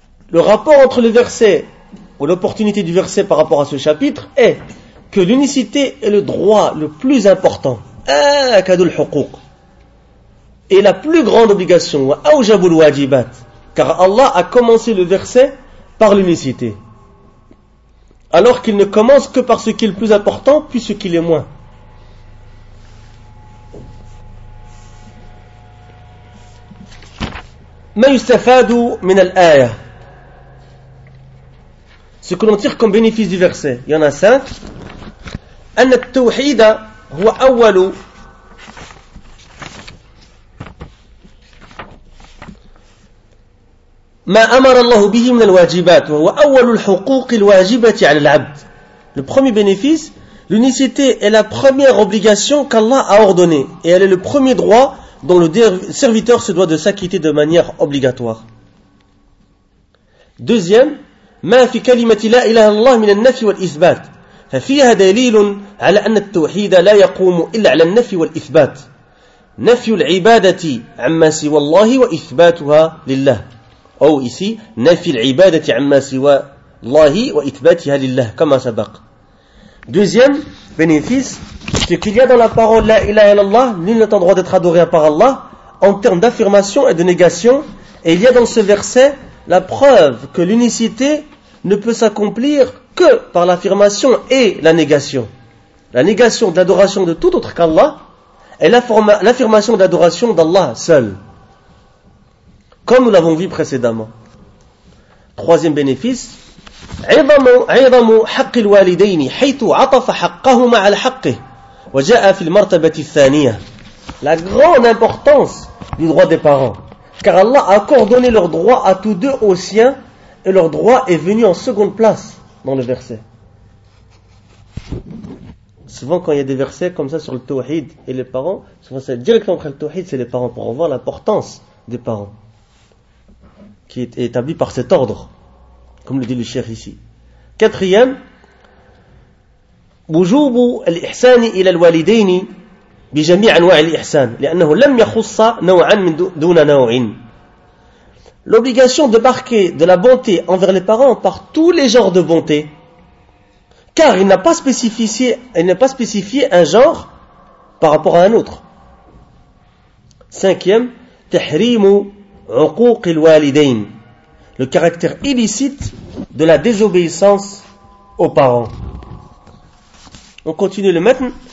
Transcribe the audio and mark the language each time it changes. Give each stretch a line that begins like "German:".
French: Le rapport entre le verset ou l'opportunité du verset par rapport à ce chapitre est que l'unicité est le droit le plus important,
Arabic: آكد الحقوق,
French: et la plus grande obligation,
Arabic: وأوجب الواجبات,
French: car Allah a commencé le verset par l'unicité, alors qu'il ne commence que par ce qui est le plus important, puis ce qui est moins.
Arabic: Ma yustafadu min al-aya.
French: Ce que l'on tire comme bénéfice du verset, il y en a cinq.
Arabic: أن التوحيد هو أول ما أمر الله به من الواجبات وهو أول الحقوق الواجبة على العبد.
French: Le premier bénéfice, l'unicité est la première obligation qu'Allah a ordonnée et elle est le premier droit dont le serviteur se doit de s'acquitter de manière obligatoire. Deuxième,
Arabic: ما في كلمة لا إله إلا الله من النفي والإثبات ففيها دليل على أن التوحيد لا يقوم إلا على النفي والإثبات نفي العبادة عما سوى الله وإثباتها لله أو إسي نفي العبادة عما سوى الله وإثباتها لله كما سبق.
French: Deuxième bénéfice, c'est qu'il y a dans la parole La ilaha illallah, nul n'a le droit d'être adoré à part Allah, en termes d'affirmation et de négation, et il y a dans ce verset la preuve que l'unicité ne peut s'accomplir que par l'affirmation et la négation. La négation de l'adoration de tout autre qu'Allah et l'affirmation de l'adoration d'Allah seul, comme nous l'avons vu précédemment. Troisième bénéfice,
Arabic: عظم حق الوالدين حيث عطف حقهما على حقه وجاء في المرتبة الثانية.
French: La grande importance du droit des parents, car Allah a coordonné leur droit à tous deux au sien et leur droit est venu en seconde place dans le verset. Souvent quand il y a des versets comme ça sur le tawhid et les parents, souvent c'est directement après le tawhid, c'est les parents, pour voir l'importance des parents qui est établie par cet ordre, comme le dit le cheikh ici. Quatrième,
Arabic: وجوب الإحسان إلى الوالدين بجميع أنواع الإحسان لأنه لم يخص نوعا من دون نوع.
French: L'obligation de marquer de la bonté envers les parents par tous les genres de bonté, car il n'a pas spécifié un genre par rapport à un autre. Cinquième,
Arabic: تحريم عقوق الوالدين,
French: le caractère illicite de la désobéissance aux parents. On continue le matn.